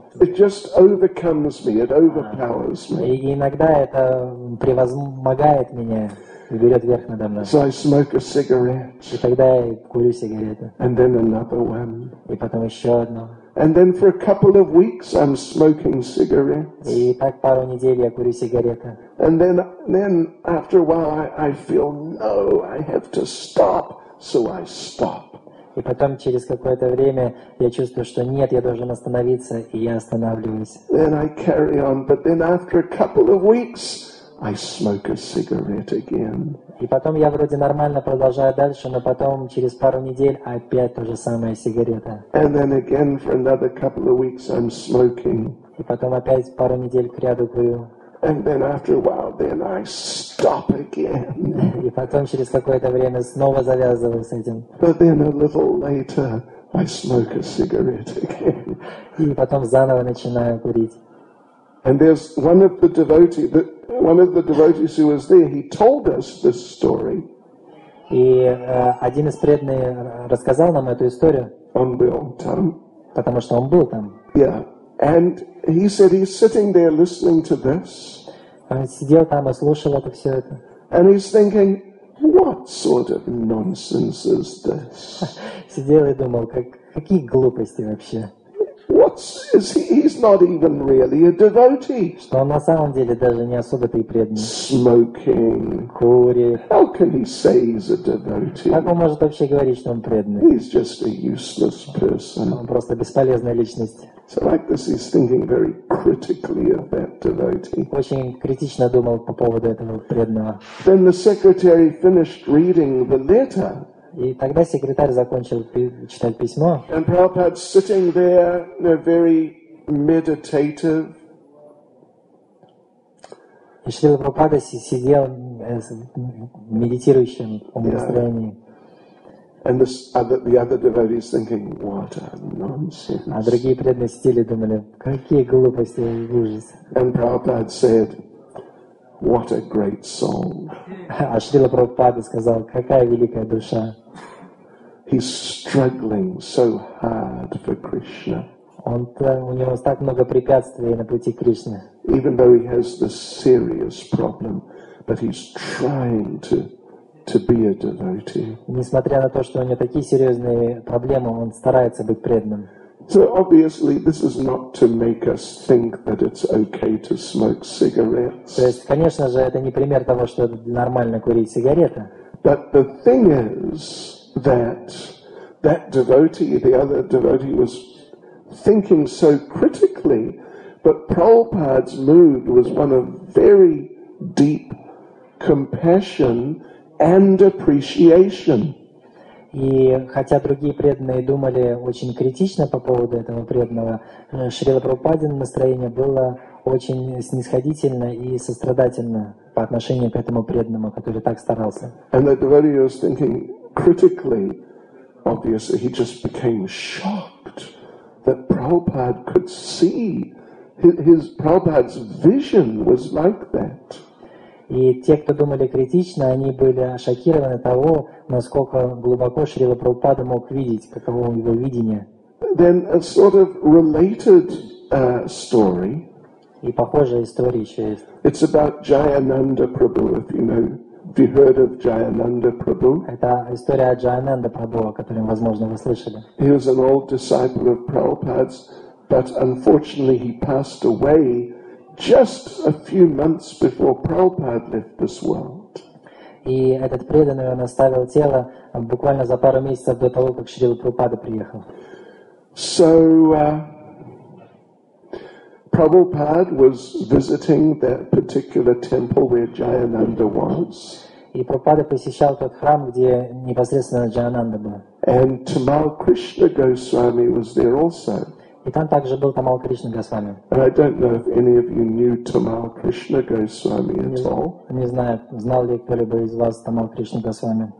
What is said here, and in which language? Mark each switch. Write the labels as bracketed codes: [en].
[en] It just overcomes me, it overpowers me. [ru] И иногда это превозмогает меня, берет верх надо мной. [en] So I smoke a cigarette. [ru] И тогда я курю сигарету. [en] And then another one. [ru] И потом еще одно. [en] And then for a couple of weeks I'm smoking cigarettes. [ru] И так пару недель я курю сигареты. [en] And then after a while I feel no, I have to stop, so I stop. [ru] И потом через какое-то время я чувствую, что нет, я должен остановиться, и я останавливаюсь. [en] Then I carry on, but then after a couple of weeks I smoke a cigarette again. [ru] И потом я вроде нормально продолжаю дальше, но потом через пару недель опять то же самое сигарета. [en] And then again for another couple of weeks I'm smoking. [ru] И потом опять пару недель кряду курю. [en] And then after a while then I stop again. [ru] И потом через какое-то время снова завязываю с этим. [en] But then a little later I smoke a cigarette again. [ru] И потом заново начинаю курить. [en] And there's one of the devotees that One of the devotees who was there, he told us this story. [ru] И один из преданных рассказал нам эту историю. Он был там. Потому что он был там. [en] Yeah, and he said he's sitting there listening to this. [ru] Он сидел там и слушал это все. [en] And he's thinking, what sort of nonsense is this? [ru] Сидел и думал, какие глупости вообще. [en] He's not even really a devotee. [ru] Что он на самом деле даже не особо-то и преданный. [en] Smoking. [ru] Курит. [en] How can he say he's a devotee? [ru] Как он может вообще говорить, что он преданный? [en] He's just a useless person. [ru] Он просто бесполезная личность. [en] So like this, he's thinking very critically of that devotee. [ru] Очень критично думал по поводу этого преданного. [en] Then the secretary finished reading the letter. [ru] И тогда секретарь закончил читать письмо. [en] And Prabhupada's sitting there, very meditative. [ru] И Шрила Прабхупада сидел медитирующим настроении. [en] Yeah. And the other devotees thinking, what a nonsense. [ru] А другие преданные сидели и думали, какие глупости и ужас. [en] And Prabhupada said, what a great soul. [ru] А Шрила Прабхупада сказал, какая великая душа. [en] He's struggling so hard for Krishna. [ru] У него так много препятствий на пути Кришны. [en] Even though he has this serious problem, but he's trying to be a devotee. [ru] Несмотря на то, что у него такие серьезные проблемы, он старается быть преданным. [en] So obviously, this is not to make us think that it's okay to smoke cigarettes. [ru] То есть, конечно же, это не пример того, что нормально курить сигареты. [en] But the thing is. That devotee, the other devotee, was thinking so critically, but Prabhupada's mood was one of very deep compassion and appreciation. [ru] И хотя другие преданные думали очень критично по поводу этого преданного, Шрила Прабхупадин настроение было очень снисходительно и сострадательно по отношению к этому преданному, который так старался. [en] And the devotee was thinking. Critically, obviously, he just became shocked that Prabhupada could see his Prabhupada's vision was like that. [ru] И те, кто думали критично, они были шокированы того, насколько глубоко Шрила Прабхупада мог видеть, каково его видение. [en] Then a sort of related story. [ru] И похожая история еще есть. [en] It's about Jayananda Prabhu, if you know. Have you heard of Jayananda Prabhu? [ru] Это история о Джаянанде Прабху, о котором, возможно, вы слышали. [en] He was an old disciple of Prabhupada's, but unfortunately he passed away just a few months before Prabhupada left this world. [ru] И этот преданный, он оставил тело буквально за пару месяцев до того, как Шрила Прабхупада приехал. [en] So, Prabhupada was visiting that particular temple where Jayananda was. [ru] И Прабхупада посещал тот храм, где непосредственно Джаянанда был. [en] And Tamal Krishna Goswami was there also. [ru] И там также был Тамал Кришна Госвами. [en] And I don't know if any of you knew Tamal Krishna Goswami at all. [ru] Не знаю, знал ли кто-либо из вас Тамал Кришна Госвами.